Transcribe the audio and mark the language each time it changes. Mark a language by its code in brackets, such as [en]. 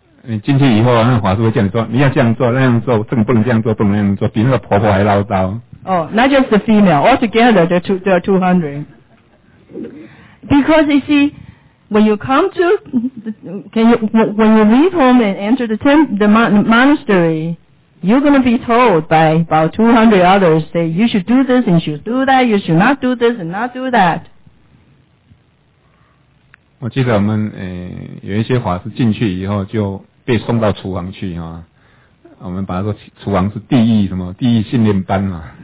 [zh] 你进去以后，那法师会叫你说，你要这样做，那样做，这个不能这样做，不能那样做，比那个婆婆还唠叨。 [en] Oh, not just the female. Altogether, there are 200. Because you see, when you come to, when you leave home and enter the monastery, You're going to be told by about 200 others that you should do this and you should do that, you should not do this and not do that. [zh] 我记得我们有一些法师进去以后就被送到厨房去啊，我们把他说厨房是地狱什么地狱训练班嘛。